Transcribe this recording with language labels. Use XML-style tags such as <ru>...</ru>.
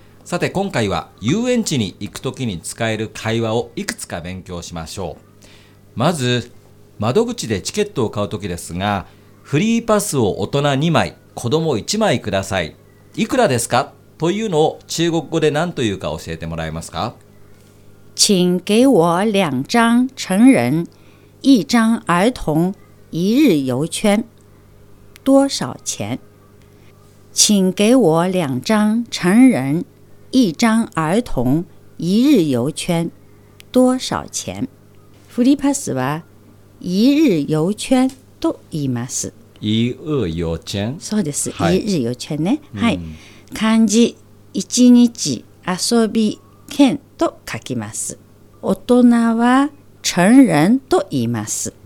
<ja>さて今回は遊園地に行くときに使える会話をいくつか勉強しましょう。まず窓口でチケットを買うときですが、フリーパスを大人2枚、子供1枚ください。いくらですかというのを中国語で何というか教えてもらえますか。</ja> <zh>请给我两张成人一张儿童一日游券多少钱。请给我两张成人一张儿童一日游券多少钱。</zh> <ja>フリーパスは一日游券と言います。</ja> <zh>一日游券、</zh> <ja>そうです、はい、一日游券ね、はい、漢字一日遊び券と書きます。大人は成人と言います。</ja>